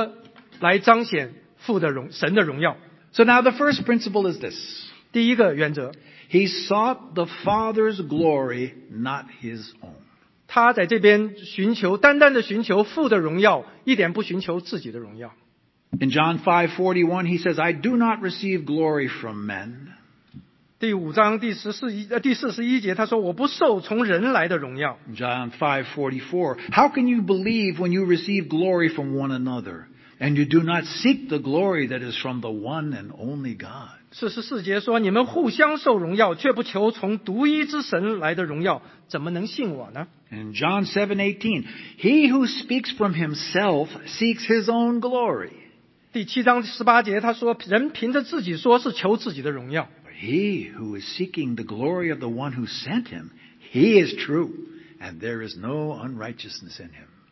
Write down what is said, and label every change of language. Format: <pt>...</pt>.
<zh>这同时也教导我们如何来彰显父的荣耀。</zh> <en>So now the first principle is this.</en> <zh>第一个原则,</zh> <en>He sought the Father's glory, not his own.</en> <zh>他在这边寻求,单单的寻求父的荣耀,一点不寻求自己的荣耀。</zh> <en>In John 5:41, he says, I do not receive glory from men.</en> <zh>第五章第四十一节,他说,我不受从人来的荣耀。</zh> <en>John 5:44, How can you believe when you receive glory from one another, and you do not seek the glory that is from the one and only God?</en> <zh>44节说,你们互相受荣耀,却不求从独一之神来的荣耀,怎么能信我呢?</zh> <en>In John 7:18, He who speaks from himself seeks his own glory.</en> <zh>第七章十八节,他说,人凭着自己说,是求自己的荣耀。</zh> <en>He who is seeking the glory of the one who sent him, he is true, and there is no unrighteousness in him.</en>